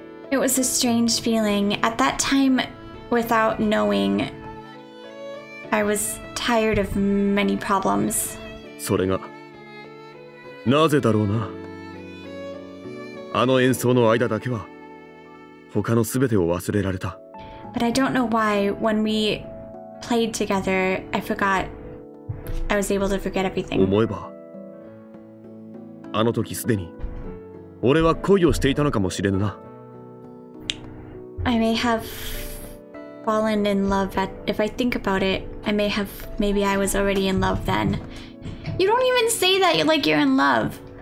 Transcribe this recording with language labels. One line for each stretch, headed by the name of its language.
English: It was a strange feeling. At that time, without knowing, I was tired of many problems.
Japanese: それが、なぜだろうな。あの演奏の間だけは、他のすべてを忘れられた。
English: But I don't know why, when we played together, I was able to forget everything.
Japanese: 思えば、あの時すでに、俺は恋をしていたのかもしれぬな。
English: I may have fallen in love at, if I think about it, I may have, maybe I was already in love then. You don't even say that like you're in love.